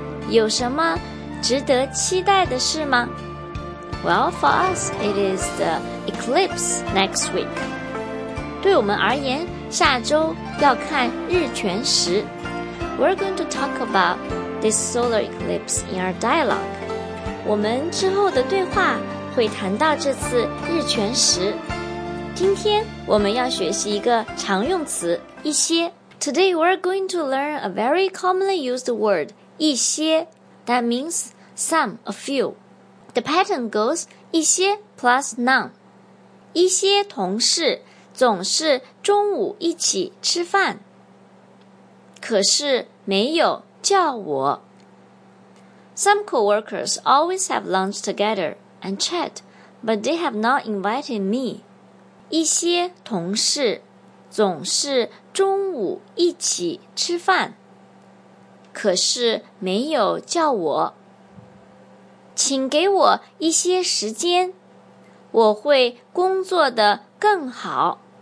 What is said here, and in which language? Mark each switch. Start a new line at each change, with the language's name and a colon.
Chinese: 有什么值得期待的事吗?
English: Well, for us, it is the eclipse next week.
Chinese: 对我们而言，下周要看日全食。
English: We're going to talk about this solar eclipse in our dialogue.
Chinese: 我们之后的对话会谈到这次日全食。今天我们要学习一个常用词，一些。
English: Today we're going to learn a very commonly used word, 一些。 That means some, a few. The pattern goes 一些 plus none.
Chinese: 一些同事总是中午一起吃饭，可是没有叫我。
English: Some co-workers always have lunch together and chat, but they have not invited me.
Chinese: 一些同事总是中午一起吃饭，可是没有叫我。请给我一些时间，我会工作得更好。